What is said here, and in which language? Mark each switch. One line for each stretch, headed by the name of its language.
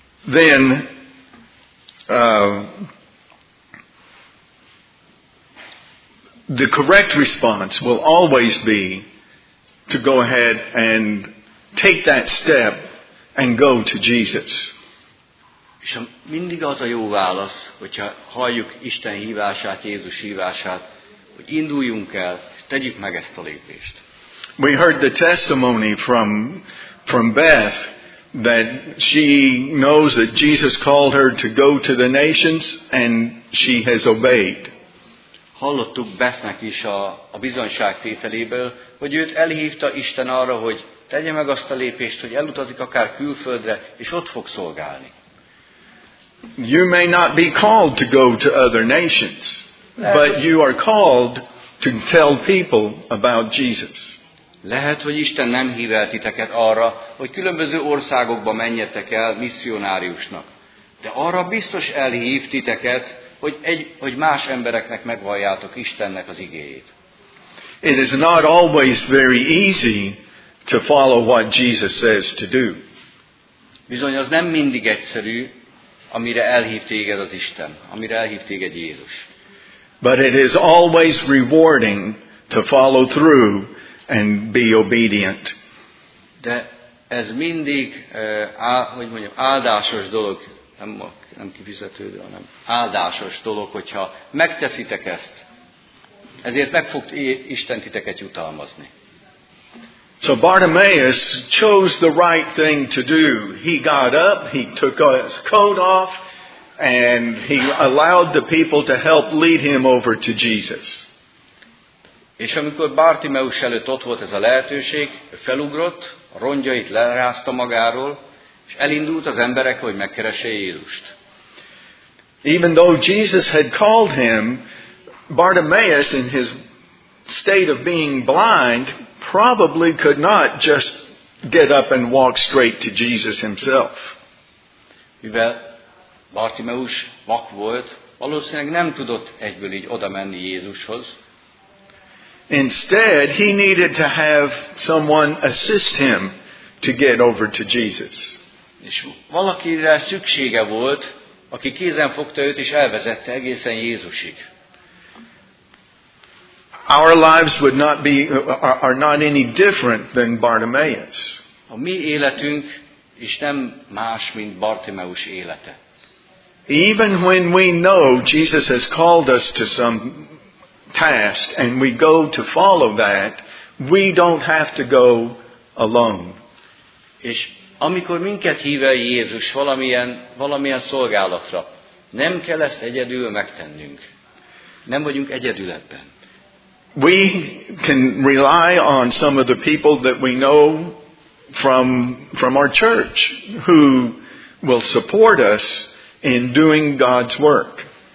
English: Then, the correct response will always be to go ahead and take that step and go to Jesus.
Hungarian: És mindig az a jó válasz, hogyha halljuk Isten hívását, Jézus hívását, hogy induljunk el, tegyük meg ezt a lépést.
English: We heard the testimony from Beth that she knows that Jesus called her to go to the nations and she has obeyed.
Hungarian: Hallottuk Bethnek is a bizonyságtételéből, hogy őt elhívta Isten arra, hogy tegye meg azt a lépést, hogy elutazik akár külföldre, és ott fog szolgálni.
English: You may not be called to go to other nations, but you are called to tell people about Jesus.
Hungarian: Lehet, hogy Isten nem hív el titeket arra, hogy különböző országokba menjetek el misszionáriusnak. De arra biztos elhív titeket, hogy más embereknek megvalljátok Istennek az igéjét.
English: It is not always very easy to follow what Jesus says to do.
Hungarian: Bizony, az nem mindig egyszerű, amire elhív téged az Isten, amire elhív téged Jézus.
English: But it is always rewarding to follow through and be obedient.
Hungarian: De ez mindig, hogy mondjam, áldásos dolog, nem kifizetődő, hanem áldásos dolog, hogyha megteszitek ezt, ezért meg fog Isten titeket jutalmazni.
English: So Bartimaeus chose the right thing to do. He got up, he took his coat off, and he allowed the people to help lead him over to Jesus.
Hungarian: És amikor Bartimeus előtt ott volt ez a lehetőség, felugrott, a rongyait lerázta magáról, és elindult az emberek, hogy megkeresse Jézust.
English: Even though Jesus had called him, Bartimaeus in his state of being blind probably could not just get up and walk straight to Jesus himself.
Hungarian: Mivel Bartimeus vak volt, valószínűleg nem tudott egyből így oda menni Jézushoz.
English: Instead, he needed to have someone assist him to get over to Jesus.
Hungarian: És valakire szüksége volt, aki kézen fogta őt és elvezette egészen Jézusig.
English: Our lives would not be are not any different than Bartimaeus.
Hungarian: A mi életünk is nem más, mint Bartimeus élete.
English: Even when we know Jesus has called us to some task and we go to follow that, we don't have to go alone.
Hungarian: És amikor minket hív el Jézus valamilyen szolgálatra, nem kell ezt egyedül megtennünk. Nem vagyunk egyedül ebben.
English: We can rely on some of the people that we know from our church who will support us in doing God's work.